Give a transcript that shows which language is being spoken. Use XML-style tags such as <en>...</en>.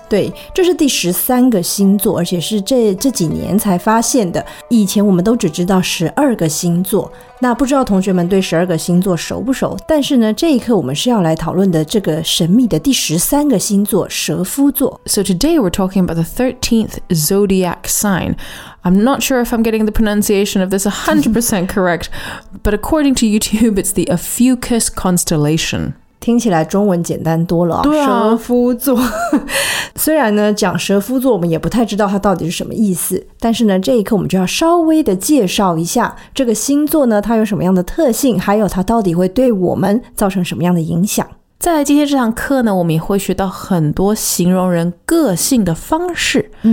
<zh>对，这是第13个星座，而且是 这几年才发现的。以前我们都只知道12个星座，那不知道同学们对12个星座熟不熟，但是呢，这一课我们是要来讨论的这个神秘的第13个星座，蛇夫座。</zh> <en>So today we're talking about the 13th zodiac sign. I'm not sure if I'm getting the pronunciation of this 100% correct, but according to YouTube, it's the Ophiuchus constellation.</en> <zh>听起来中文简单多了、啊对啊、蛇夫座虽然呢讲蛇夫座我们也不太知道它到底是什么意思，但是呢这一刻我们就要稍微的介绍一下这个星座呢，它有什么样的特性，还有它到底会对我们造成什么样的影响。在今天这堂课呢，我们也会学到很多形容人个性的方式。</zh>